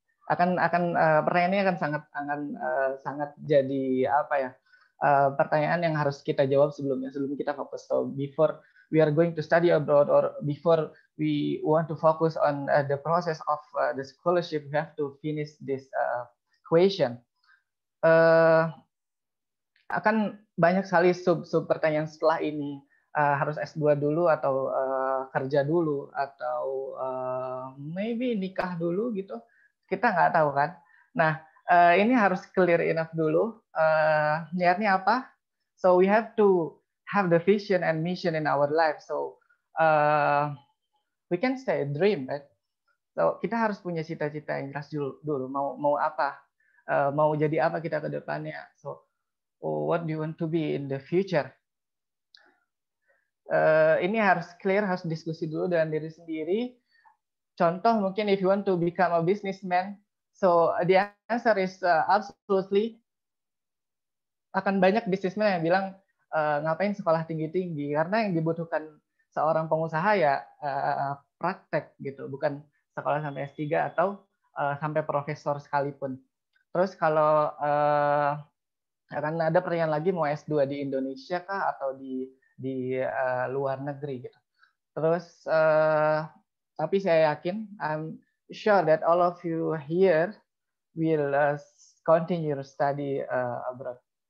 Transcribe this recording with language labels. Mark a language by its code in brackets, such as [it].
[id] Pertanyaannya akan sangat jadi apa ya? Pertanyaan yang harus kita jawab sebelum kita fokus. [en] So before we are going to study abroad or before we want to focus on the process of the scholarship, we have to finish this question. [id] Akan banyak sekali sub pertanyaan setelah ini, harus S2 dulu atau kerja dulu atau maybe nikah dulu gitu, kita nggak tahu kan. Nah, ini harus [en] clear enough [id] dulu, niatnya apa. [en] So we have to have the vision and mission in our life, so we can say a dream, right? [id] So kita harus punya cita-cita yang jelas dulu, mau apa. Mau jadi apa kita ke depannya? [en] So, what do you want to be in the future? [id] Ini harus clear, harus diskusi dulu dengan diri sendiri. Contoh mungkin [en] if you want to become a businessman, so the answer is absolutely. [id] Akan banyak businessman yang bilang ngapain sekolah tinggi-tinggi? Karena yang dibutuhkan seorang pengusaha ya praktek gitu, bukan sekolah sampai S3 atau sampai profesor sekalipun. Terus kalau akan ada pertanyaan lagi, mau S2 di Indonesia kah atau di luar negeri gitu. Terus tapi saya yakin, [en] I'm sure that all of you here will continue your study abroad.